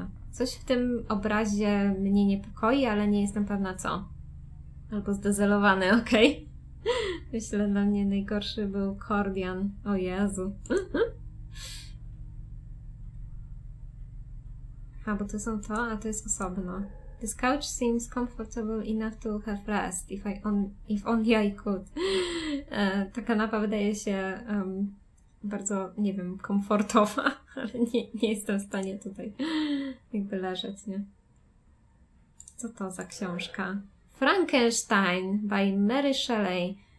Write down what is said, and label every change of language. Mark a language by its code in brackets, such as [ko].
[pl] Coś w tym obrazie mnie niepokoi, ale nie jestem pewna co. Albo zdezelowany, okej. Okay. Myślę, dla mnie najgorszy był Kordian. O Jezu. A, bo to są to, a to jest osobno. [en] This couch seems comfortable enough to have rest, if only I could. [pl] Ta kanapa wydaje się bardzo, nie wiem, komfortowa, ale nie jestem w stanie tutaj jakby leżeć, nie? Co to za książka? [en] Frankenstein by Mary Shelley.